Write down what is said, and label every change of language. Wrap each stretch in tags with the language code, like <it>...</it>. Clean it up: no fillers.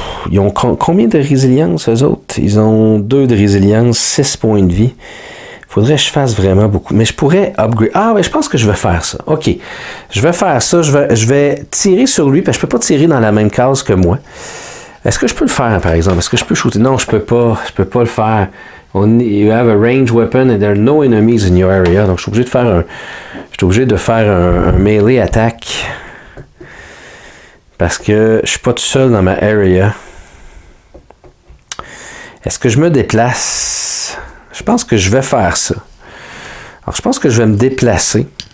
<fr>ils ont combien de résilience, eux autres? Ils ont 2 de résilience, 6 points de vie. Faudrait que je fasse vraiment beaucoup. Mais je pourrais upgrade... Ah, mais je pense que je vais faire ça. OK. Je vais faire ça. Je vais tirer sur lui, parce que je peux pas tirer dans la même case que moi. Est-ce que je peux le faire, par exemple? Est-ce que je peux shooter? Non, je peux pas le faire.</fr> <en>You have a ranged weapon and there are no enemies in your area.</en> <fr>Donc, je suis obligé de faire un melee attack. Parce que je suis pas tout seul dans ma area. Est-ce que je me déplace? Je pense que je vais faire ça. Alors, je pense que je vais me déplacer.</fr>